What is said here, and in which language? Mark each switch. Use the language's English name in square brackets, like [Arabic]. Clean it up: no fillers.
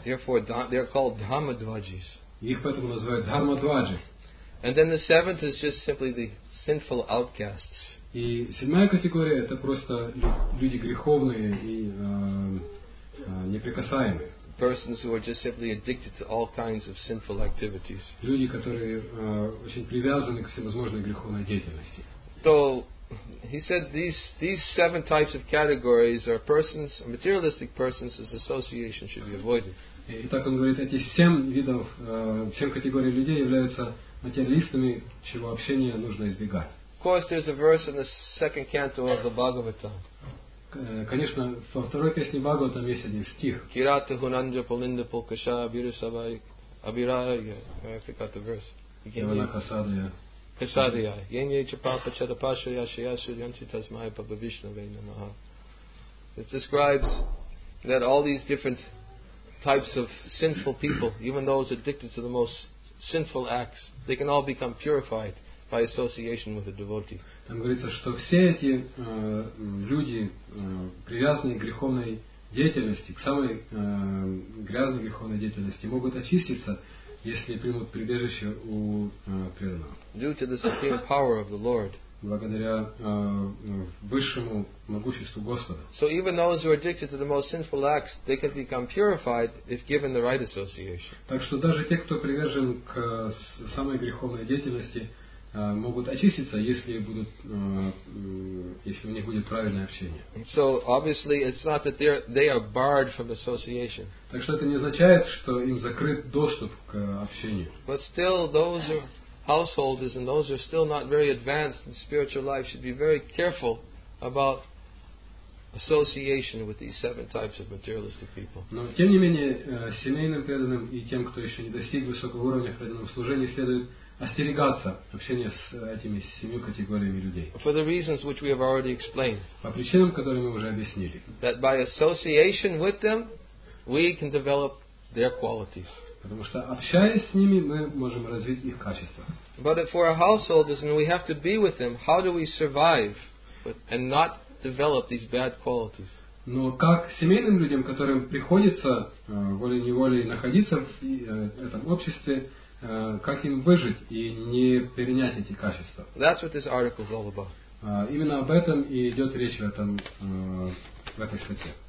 [English] Therefore, they're called dharma dvajis. [Russian] Их поэтому называют dharma dvaji. [English] And then the seventh is just simply the sinful outcasts. [Russian] И седьмая категория — это просто люди греховные и неприкасаемые. [English] Persons who are just simply addicted to all kinds of sinful activities. [Russian] Люди, которые очень привязаны к всевозможной греховной деятельности. [English] So, he said these seven types of categories are persons, materialistic persons whose association should be avoided. [Russian] И так он говорит, эти семь видов, семь категорий людей являются материалистами, чего общения нужно избегать. [English] Of course, there's a verse in the second canto of the Bhagavatam. [Russian] Конечно, во второй песне Бхагаватам есть один стих. [Sanskrit] Кирата хунанджа палинда палкаша бирасавай абирая. [English] I forgot the verse. [Sanskrit] Ивана касадая. Касадая. Янья чапапа чатапаша яша яша янти тасмая паба вишна вейна маха. [English] It describes that all these different types of sinful people, even those addicted to the most sinful acts, they can all become purified by association with a devotee. [Russian] Там говорится, что все эти люди, привязанные к греховной деятельности, к самой грязной греховной деятельности, могут очиститься, если примут прибежище у преданного. [English] Due to the supreme power of the Lord. [Russian] Благодаря высшему могуществу Господа. [English] So even those who are addicted to the most sinful acts, they can become purified if given the right association. [Russian] Так что даже те, кто привязан к самой греховной деятельности, могут очиститься, если у них будет правильное общение. [English] So obviously it's not that they are barred from association. [Russian] Так что это не означает, что им закрыт доступ к общению. [English] But still those who are householders and those who are still not very advanced in spiritual life should be very careful about association with these seven types of materialistic people. [Russian] Но тем не менее семейным преданным и тем, кто еще не достиг высокого уровня преданного служения, следует остерегаться общения с этими семью категориями людей. [English] For the reasons which we have already explained. [Russian] По причинам, которые мы уже объяснили. [English] That by association with them, we can develop their qualities. [Russian] Потому что общаясь с ними, мы можем развить их качества. [English] But if we're householders and we have to be with them, how do we survive and not develop these bad qualities? [Russian] Но как семейным людям, которым приходится волей-неволей находиться в этом обществе, как им выжить и не перенять эти качества? [English] That's what this article is all about. [Russian] Именно об этом и идет речь в этой статье.